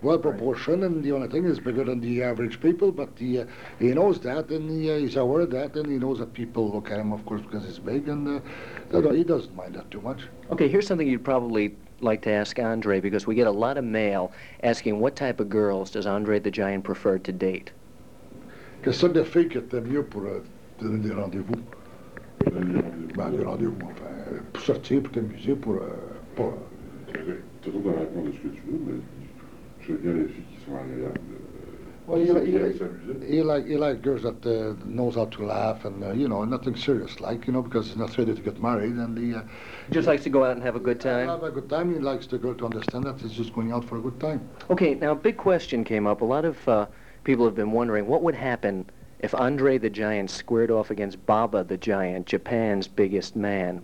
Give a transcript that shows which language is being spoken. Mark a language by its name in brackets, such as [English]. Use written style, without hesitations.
[English] Well-proportioned, right. And the only thing is bigger than the average people, but he knows that, and he's aware of that, and he knows that people look at him, of course, because he's big, and he doesn't mind that too much. Okay, here's something you'd probably like to ask Andre, because we get a lot of mail asking what type of girls does Andre the Giant prefer to date? [French] Que sont des filles que t'aimes mieux pour donner des rendez-vous? Des rendez-vous, enfin, pour sortir, pour t'amuser, pour... T'as tout à répondre à ce que tu veux, mais je veux bien les filles qui sont agréables. [English] Well, he like girls that knows how to laugh and, you know, nothing serious like, you know, because he's not ready to get married and he... just likes to go out and have a good time? Have a good time. He likes the girl to understand that he's just going out for a good time. Okay, now a big question came up. A lot of people have been wondering what would happen if Andre the Giant squared off against Baba the Giant, Japan's biggest man.